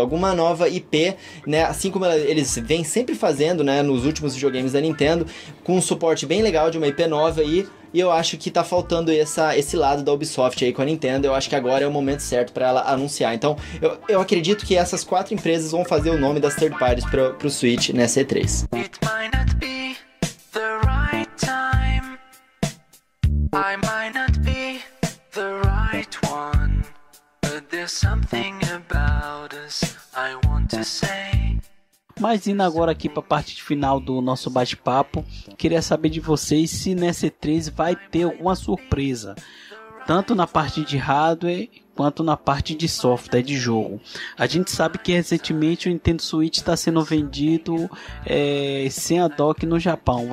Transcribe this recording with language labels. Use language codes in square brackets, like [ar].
[pt] Alguma nova IP, né? Assim como eles vêm sempre fazendo, né? Nos últimos videogames da Nintendo, com um suporte bem legal de uma IP nova. Aí, e eu acho que tá faltando esse lado da Ubisoft aí com a Nintendo. Eu acho que agora é o momento certo pra ela anunciar. Então, eu acredito que essas quatro empresas vão fazer o nome das third parties pro Switch nessa E3. [en] It might not be the right time. I might not be the right one. But there's something about us I want to say. [pt] Mas indo agora aqui para a parte final do nosso bate-papo, queria saber de vocês se nessa E3 vai ter alguma surpresa, tanto na parte de hardware quanto na parte de software de jogo. A gente sabe que recentemente o Nintendo Switch está sendo vendido sem a dock no Japão.